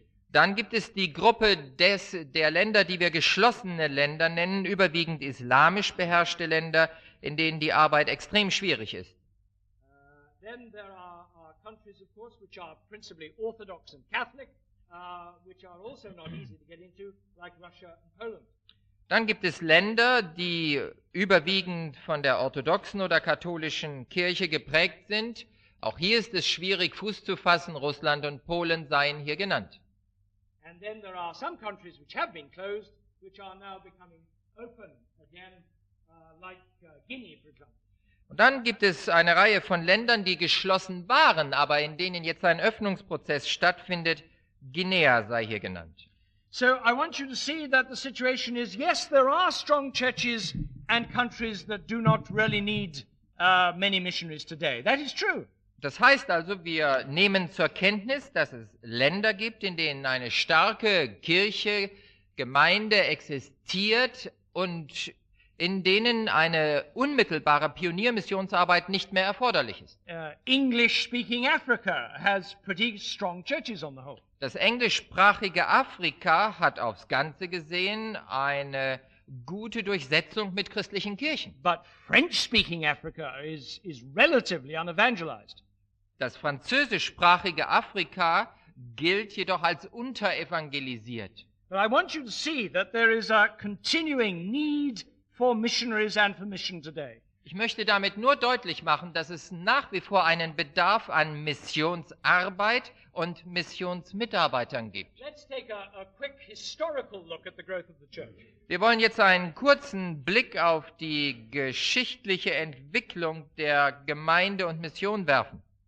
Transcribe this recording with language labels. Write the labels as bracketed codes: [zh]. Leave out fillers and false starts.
[de] Dann gibt es die Gruppe der Länder, die wir geschlossene Länder nennen, überwiegend islamisch beherrschte Länder, in denen die Arbeit extrem schwierig ist. [en] Then there are countries, of course, which are principally Orthodox and Catholic, which are also not easy to get into, like Russia and Poland. [de] Dann gibt es Länder, die überwiegend von der orthodoxen oder katholischen Kirche geprägt sind. Auch hier ist es schwierig, Fuß zu fassen. Russland und Polen seien hier genannt. [en] And then there are some countries which have been closed, which are now becoming open again, like Guinea, for example. [de] Und dann gibt es eine Reihe von Ländern, die geschlossen waren, aber in denen jetzt ein Öffnungsprozess stattfindet. Guinea sei hier genannt. [en] So I want you to see that the situation is, yes, there are strong churches and countries that do not really need many missionaries today. That is true. [de] Das heißt also, wir nehmen zur Kenntnis, dass es Länder gibt, in denen eine starke Kirche, Gemeinde existiert und in denen eine unmittelbare Pioniermissionsarbeit nicht mehr erforderlich ist. [en] English-speaking Africa has pretty strong churches on the whole. [de] Das englischsprachige Afrika hat aufs Ganze gesehen eine gute Durchsetzung mit christlichen Kirchen. [en] But French-speaking Africa is relatively unevangelized. [de] Das französischsprachige Afrika gilt jedoch als unterevangelisiert. [en] But I want you to see that there is a continuing need for missionaries and for mission today. [de] Ich möchte damit nur deutlich machen, dass es nach wie vor einen Bedarf an Missionsarbeit und Missionsmitarbeitern gibt. [en] Let's take a quick historical look at the growth of the church. [de] Wir wollen jetzt einen kurzen Blick auf die geschichtliche Entwicklung der Gemeinde und Mission werfen.